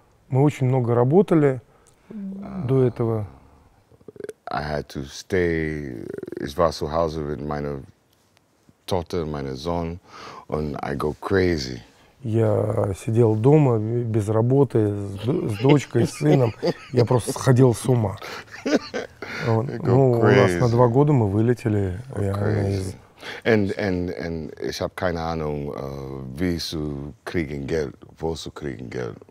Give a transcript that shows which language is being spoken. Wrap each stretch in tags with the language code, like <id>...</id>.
<ru>Мы очень много работали до этого.</ru> <en>I had to stay in Wasserhausen with my daughter, my son, and I go crazy.</en> <ru>Я сидел дома без работы с дочкой, с сыном. Я просто сходил с ума. Ну, у нас на два года мы вылетели.</ru> <de>And ich habe keine Ahnung, wie zu kriegen Geld, wo zu kriegen Geld.</de>